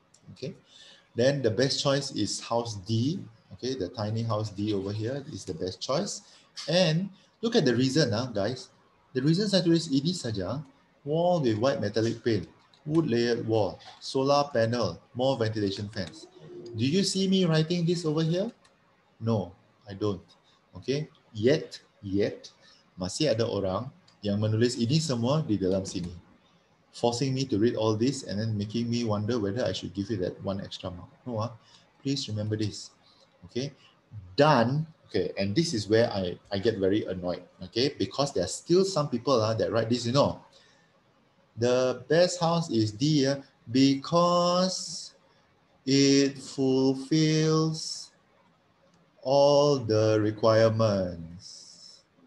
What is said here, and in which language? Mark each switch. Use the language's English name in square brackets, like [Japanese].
[English] Okay, then the best choice is house D. Okay, the tiny house D over here is the best choice. And look at the reason, guys. The reason is actually ED saja. Wall with white metallic paint, wood layered wall, solar panel, more ventilation fans. Do you see me writing this over here? No, I don't. [Malay] Okay, yet, masih ada orang yang menulis ini semua di dalam sini. [English] Forcing me to read all this and then making me wonder whether I should give you that one extra mark. No, please remember this. Okay, done. Okay, and this is where I get very annoyed. Okay, because there are still some people that write this. You know, the best house is D because it fulfills all the requirements.